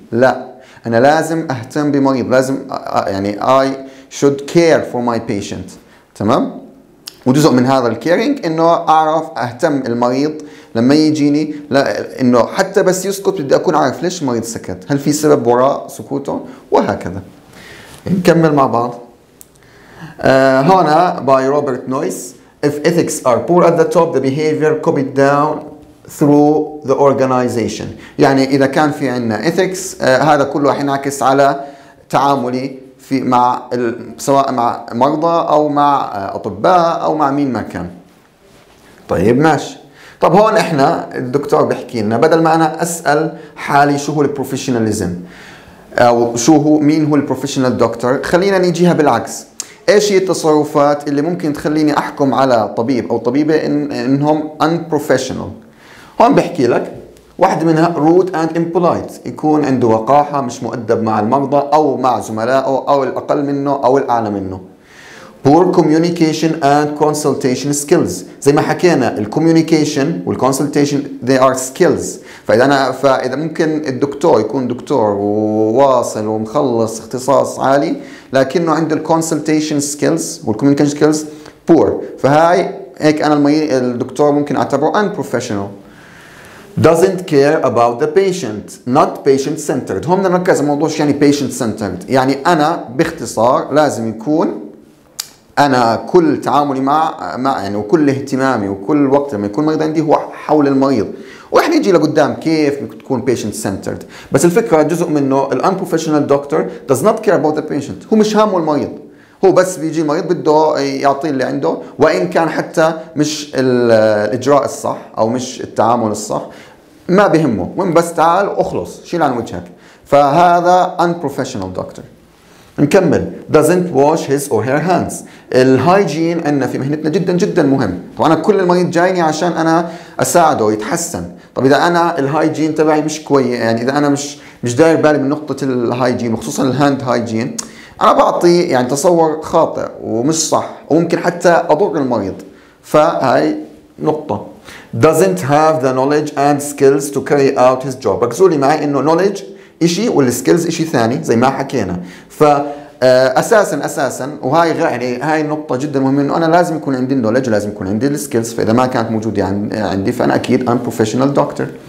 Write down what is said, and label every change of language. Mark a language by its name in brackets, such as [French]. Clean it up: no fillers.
[Arabic] لا، انا لازم اهتم بمريض، لازم يعني [English] I should care for my patient. [Arabic] تمام؟ وجزء من هذا الكيرينج انه اعرف اهتم المريض لما يجيني، لا انه حتى بس يسكت بدي اكون عارف ليش المريض سكت، هل في سبب وراء سكوته وهكذا. نكمل مع بعض. هنا [English] by Robert Noyce: if ethics are poor at the top the behavior copied down through the organization. [Arabic] يعني اذا كان في عندنا ethics هذا كله حينعكس على تعاملي في مع سواء مع مرضى او مع اطباء او مع مين ما كان. طيب ماشي. طب هون احنا الدكتور بيحكي لنا بدل ما انا اسال حالي شو هو البروفيشناليزم او شو هو مين هو البروفيشنال دكتور، خلينا نجيها بالعكس. ايش هي التصرفات اللي ممكن تخليني احكم على طبيب او طبيبه انهم ان بروفيشنال؟ هون بيحكي لك واحد منها [English] rude and impolite، [Arabic] يكون عنده وقاحة مش مؤدب مع المرضى أو مع زملائه أو الأقل منه أو الأعلى منه. [English] poor communication and consultation skills، [Arabic] زي ما حكينا [English] الcommunication والconsultation they are skills. [Arabic] فإذا ممكن الدكتور يكون دكتور وواصل ومخلص اختصاص عالي لكنه عنده الconsultation skills والcommunication skills poor، فهاي هيك أنا الدكتور ممكن أعتبره unprofessional. [English] doesn't care about the patient, not patient centered. [Arabic] هم نركز الموضوع شو يعني patient centered. يعني أنا باختصار لازم يكون أنا كل تعاملي مع يعني وكل اهتمامي وكل وقت لما يكون مريض عندي هو حول المريض. وإحنا يجي لقدام كيف تكون patient centered. بس الفكرة جزء منه ال [English] unprofessional doctor does not care about the patient. [Arabic] هو مش هامه المريض. هو بس بيجي المريض بده يعطيه اللي عنده وان كان حتى مش الاجراء الصح او مش التعامل الصح، ما بهمه، المهم بس تعال واخلص شيل عن وجهك. فهذا unprofessional doctor. نكمل. [English] doesn't wash his or her hands. [Arabic] الهايجين عندنا في مهنتنا جدا جدا مهم. طب انا كل المريض جايني عشان انا اساعده يتحسن، طب اذا انا الهايجين تبعي مش كويس، يعني اذا انا مش داير بالي من نقطه الهايجين خصوصا الهاند هايجين، أنا بعطي يعني تصور خاطئ ومش صح وممكن حتى أضر المريض. فهي نقطة. [English] doesn't have the knowledge and skills to carry out his job. [Arabic] ركزولي معي إنه knowledge إشي والسكيلز إشي ثاني زي ما حكينا. فأساساً وهي يعني هاي النقطة جدا مهمة إنه أنا لازم يكون عندي knowledge، لازم يكون عندي السكيلز، فإذا ما كانت موجودة عندي فأنا أكيد [English] I'm professional doctor.